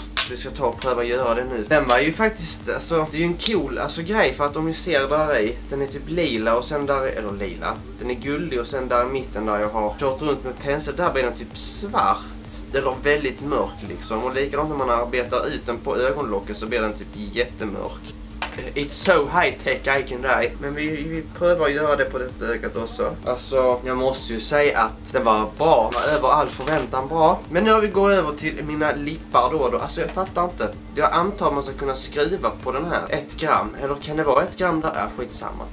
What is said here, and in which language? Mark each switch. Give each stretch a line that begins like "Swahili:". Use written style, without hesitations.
Swedish: Vi ska ta och pröva att göra det nu. Den var ju faktiskt, alltså, det är ju en cool alltså, grej för att om ni ser där i, den är typ lila och sen där, eller lila. Den är guldig och sen där i mitten där jag har kört runt med pensel, där blir den typ svart. Den är väldigt mörk liksom. Och likadant när man arbetar ut den på ögonlocket så blir den typ jättemörk.
English: It's so high tech I can die.
Swedish: Men vi prövar att göra det på detta ögat också. Alltså, jag måste ju säga att det var bra. Det var över all förväntan bra. Men nu har vi gått över till mina lippar då. Alltså jag fattar inte. Jag antar man ska kunna skriva på den här. 1 gram. Eller kan det vara 1 gram där? Är skitsamma.